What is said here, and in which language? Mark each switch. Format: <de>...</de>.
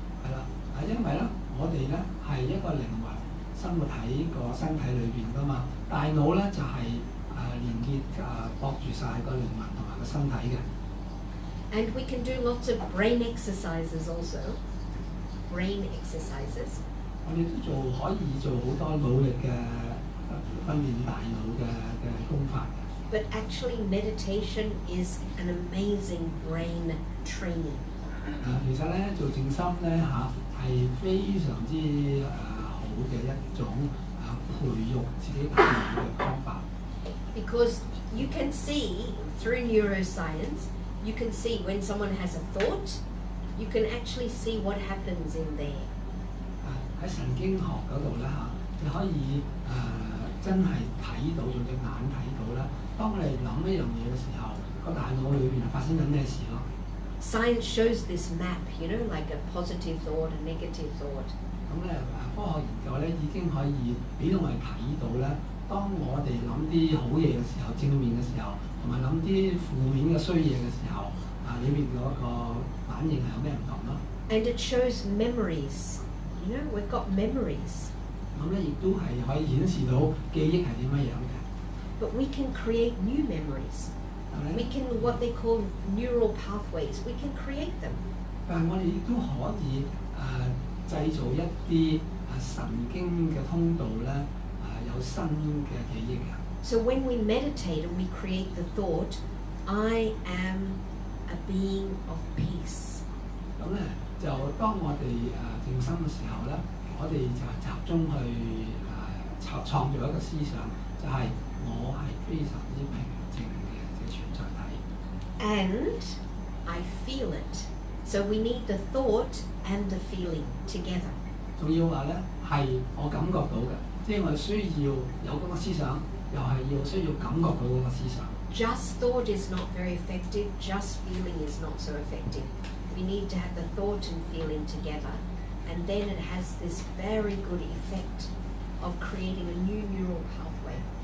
<yue>係啦，因為咧，我哋咧係一個靈魂生活喺個身體裏邊噶嘛，大腦咧就係連結駁住曬個靈魂同埋個身體嘅。</yue> <en>And we can do lots of brain exercises also. Brain exercises.</en> <yue>我哋都可以做好多努力嘅訓練大腦嘅功法。</yue> <en>But actually, meditation is an amazing brain training.</en> <yue>其實咧，做靜心咧嚇係非常之好嘅一種培育自己大腦嘅方法。</yue> <en>Because you can see through neuroscience, you can see when someone has a thought, you can actually see what happens in there.</en> <yue>喺神經學嗰度咧嚇，你可以真係睇到，用隻眼睇到啦。當我哋諗一樣嘢嘅時候，個大腦裏邊發生緊咩事咯</yue> <en>？Science shows this map, you know, like a positive thought, a negative thought.</en> <yue>咁咧，科學研究咧已經可以俾我哋睇到咧，當我哋諗啲好嘢嘅時候，正面嘅時候，同埋諗啲負面嘅衰嘢嘅時候，裏邊嗰個反應係有咩唔同咯</yue> <en>？And it shows memories. You know, we've got memories.</en> <yue>咁咧，亦都係可以顯示到記憶係點樣樣嘅。</yue> <en>But we can create new memories. We can, what they call neural pathways, we can create them.</en> <yue>但我哋亦都可以製造一啲神經嘅通道咧，有新嘅記憶啊。</yue> <en>So when we meditate and we create the thought, I am a being of peace.</en> <yue>咁咧，就當我哋靜心嘅時候咧，我哋就集中去創造一個思想，就係。我係非常之平靜嘅嘅存在體。</yue> <en>And I feel it. So we need the thought and the feeling together.</en> <yue>仲要話咧，係我感覺到嘅，即係我需要有咁嘅思想，又係要需要感覺到嗰個思想。</yue> <en>Just thought is not very effective. Just feeling is not so effective. We need to have the thought and feeling together, and then it has this very good effect of creating a new neural pathway.</en>